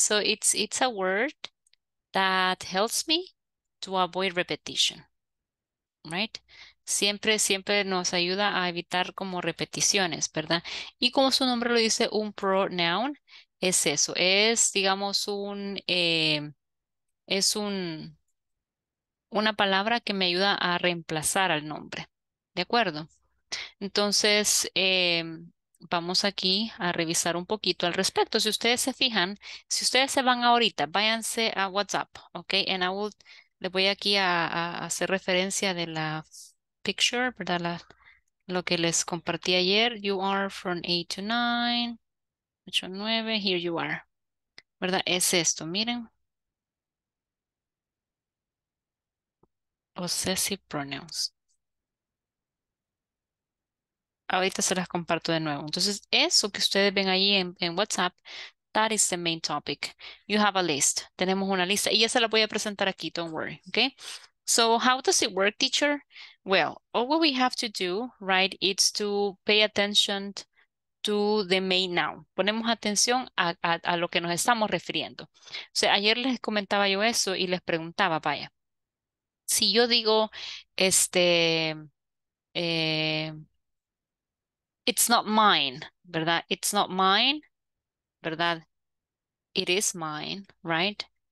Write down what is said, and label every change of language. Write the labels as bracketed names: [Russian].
[English] So it's a word that helps me to avoid repetition. Right? [Spanish] Siempre nos ayuda a evitar como repeticiones, ¿verdad? Y como su nombre lo dice, un pronoun es eso. Es, digamos, un es una palabra que me ayuda a reemplazar al nombre. ¿De acuerdo? Entonces, vamos aquí a revisar un poquito al respecto. Si ustedes se fijan, si ustedes se van ahorita, váyanse a WhatsApp, ¿ok? [English] And I will, [Spanish] le voy aquí a hacer referencia de la picture, ¿verdad? Lo que les compartí ayer. [English] You are from 8 to 9. 8 to 9, here you are. [Spanish] ¿Verdad? Es esto, miren. [English] Possessive pronouns. [Spanish] Ahorita se las comparto de nuevo. Entonces, eso que ustedes ven ahí en WhatsApp, [English] that is the main topic. You have a list. [Spanish] Tenemos una lista. Y ya se la voy a presentar aquí. [English] Don't worry. Okay? So, how does it work, teacher? Well, all what we have to do, right, is to pay attention to the main noun. [Spanish] Ponemos atención a lo que nos estamos refiriendo. O sea, ayer les comentaba yo eso y les preguntaba, vaya. Si yo digo, [English] it's not mine, [Spanish] ¿verdad? [English] It's not mine, [Spanish] ¿verdad? [English] It is mine, right?